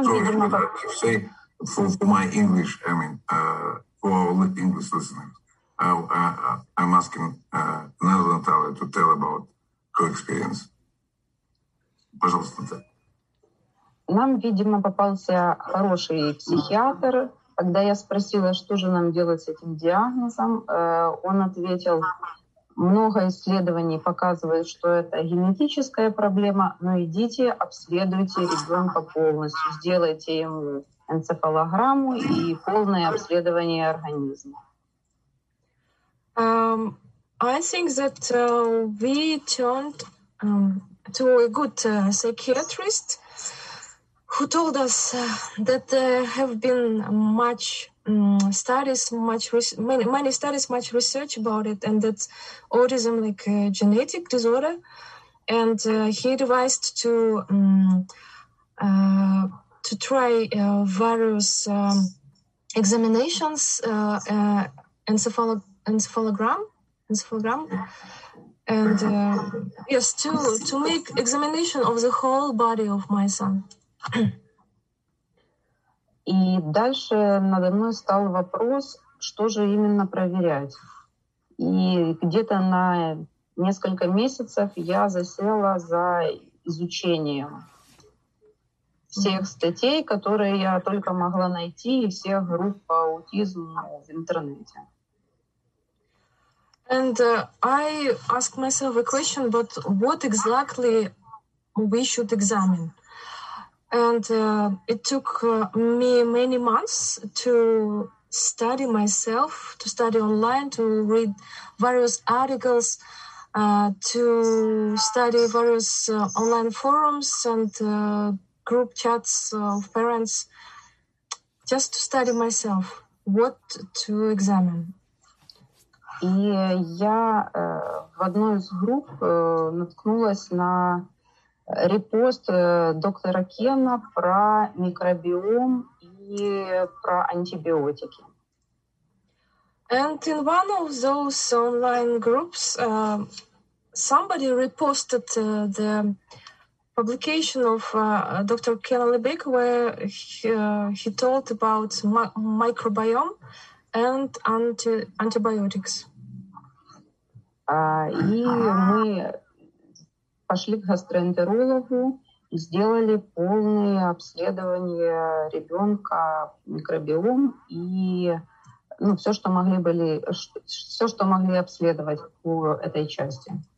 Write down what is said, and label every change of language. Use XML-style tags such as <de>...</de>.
<en>For my English, I mean, for our English listeners, I'm asking another Natalia to tell about her experience.</en> <ru>Пожалуйста, Наталья. Нам, видимо, попался хороший психиатр. Когда я спросила, что же нам делать с этим диагнозом, он ответил, много исследований показывает, что это генетическая проблема, но идите, обследуйте ребенка полностью, сделайте ему энцефалограмму и полное обследование организма.</ru> <en>I think that we turned to a good psychiatrist who told us that there have been much research about it, and that autism like a genetic disorder, and he advised to try various examinations encephalogram, and yes, to make examination of the whole body of my son.</en> <ru>И дальше надо мной стал вопрос, что же именно проверять. И где-то на несколько месяцев я засела за изучением всех статей, которые я только могла найти, и всех групп по аутизму в интернете.</ru> <en>And I ask myself a question, but what exactly we should examine? And it took me many months to study myself, to study online, to read various articles, to study various online forums and group chats of parents, just to study myself, what to examine.</en> <ru>И я в одной из групп наткнулась на репост доктора Кена про микробиом и про антибиотики.</ru> <en>And in one of those online groups, somebody reposted the publication of Dr. Ken Alibek, where he talked about microbiome and antibiotics.</en> <ru>И мы пошли к гастроэнтерологу и сделали полное обследование ребенка микробиом и ну, все, что могли обследовать по этой части.</ru>